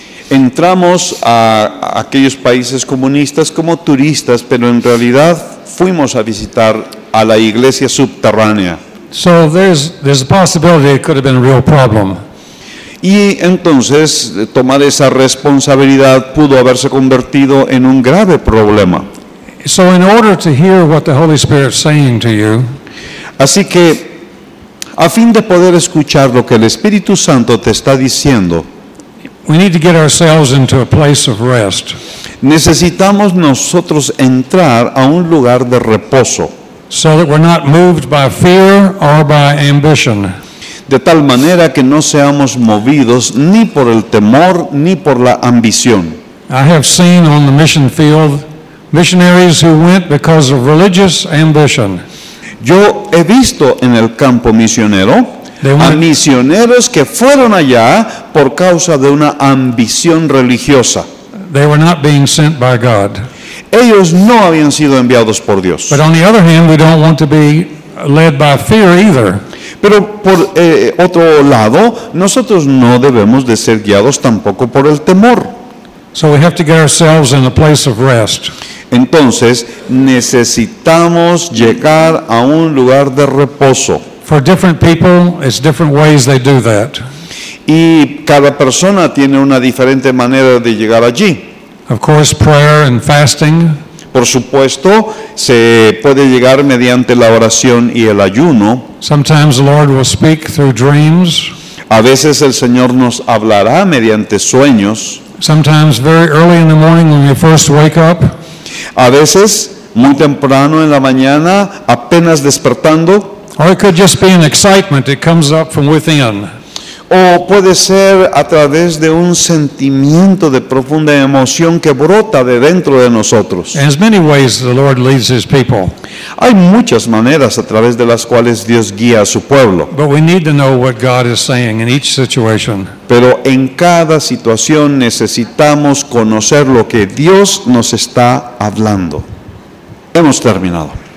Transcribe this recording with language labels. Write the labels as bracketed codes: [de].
[es] Entramos a aquellos países comunistas como turistas, pero en realidad fuimos a visitar a la iglesia subterránea. [en] So there's a possibility it could have been a real problem. [es] Y entonces tomar esa responsabilidad pudo haberse convertido en un grave problema. [en] So in order to hear what the Holy Spirit is saying to you, [es] así que a fin de poder escuchar lo que el Espíritu Santo te está diciendo, [en] we need to get ourselves into a place of rest. [es] Necesitamos nosotros entrar a un lugar de reposo. [en] So that we're not moved by fear or by ambition. [es] De tal manera que no seamos movidos ni por el temor ni por la ambición. [en] I have seen on the mission field missionaries who went because of religious ambition. [es] Yo he visto en el campo misionero a misioneros que fueron allá por causa de una ambición religiosa. [en] They were not being sent by God. [es] Ellos no habían sido enviados por Dios. [en] But on the other hand, we don't want to be led by fear either. [es] Pero por otro lado, nosotros no debemos de ser guiados tampoco por el temor. [en] So we have to get ourselves in a place of rest. [es] Entonces, necesitamos llegar a un lugar de reposo. [en] For different people, it's different ways they do that. [es] Y cada persona tiene una diferente manera de llegar allí. [en] Of course, prayer and fasting. [es] Por supuesto, se puede llegar mediante la oración y el ayuno. [en] Sometimes the Lord will speak through dreams. [es] A veces el Señor nos hablará mediante sueños. [en] Sometimes very early in the morning when you first wake up. [es] A veces muy temprano en la mañana, apenas despertando. [en] Or it could just be an excitement that comes up from within. [es] O puede ser a través de un sentimiento de profunda emoción que brota de dentro de nosotros. [en] In as many ways the Lord leads his people. [es] Hay muchas maneras a través de las cuales Dios guía a su pueblo. [en] But we need to know what God is saying in each situation. [es] Pero en cada situación necesitamos conocer lo que Dios nos está hablando. Hemos terminado.